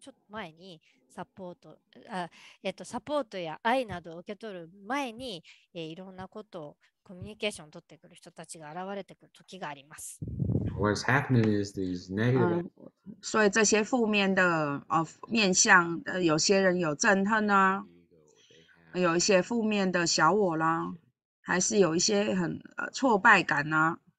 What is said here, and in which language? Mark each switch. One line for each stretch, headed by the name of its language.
Japanese: 前にサポート、サポートや愛などを受け取る前に、いろんなことをコミュニケーションを取ってくる人たちが現れてくる時があります。
English: What's happening is these negative.
Chinese: 所以这些负面的面向，有些人有憎恨啊，有一些负面的小我啦，还是有一些很挫败感呐、啊。